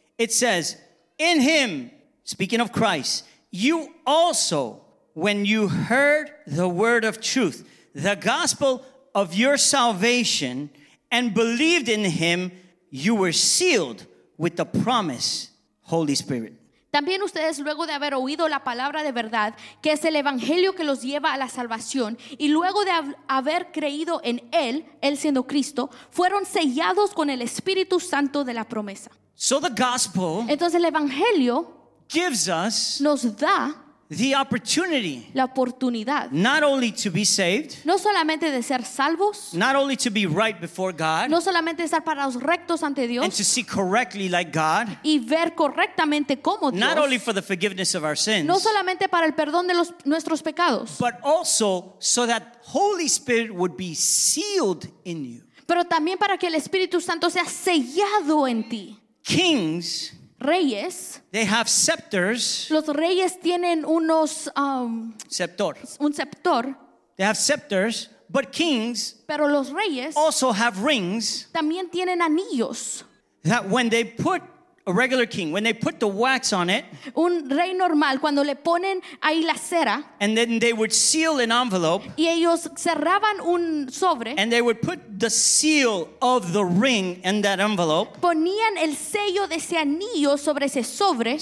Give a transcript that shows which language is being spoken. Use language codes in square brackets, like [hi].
[en] It says, in him, speaking of Christ, you also, when you heard the word of truth, the gospel of your salvation, and believed in him, you were sealed with the promise, Holy Spirit. [es] También ustedes, luego de haber oído la palabra de verdad, que es el evangelio que los lleva a la salvación, y luego de haber creído en él, él siendo Cristo, fueron sellados con el Espíritu Santo de la promesa. [en] So the gospel, [es] entonces el evangelio, [en] gives us, [es] nos da [en] the opportunity, [es] la oportunidad, [en] not only to be saved, [es] no solamente de ser salvos, [en] not only to be right before God, [es] no solamente estar parados rectos ante Dios, [en] and to see correctly like God, [es] y ver correctamente como Dios, [en] not only for the forgiveness of our sins, [es] no solamente para el perdón de los nuestros pecados, [en] but also so that Holy Spirit would be sealed in you, [es] pero también para que el Espíritu Santo sea sellado en ti. [en] Kings, [es] reyes, [en] they have scepters. [es] Los reyes tienen unos [en] scepter. [es] Un scepter. [en] They have scepters, but kings, [es] pero los reyes, [en] also have rings. [es] También tienen anillos. [en] That when they put a regular king, when they put the wax on it, [es] un rey normal, cuando le ponen ahí la cera, [en] and then they would seal an envelope, [es] y ellos cerraban un sobre, [en] and they would put the seal of the ring in that envelope, [es] ponían el sello de ese anillo sobre ese sobre,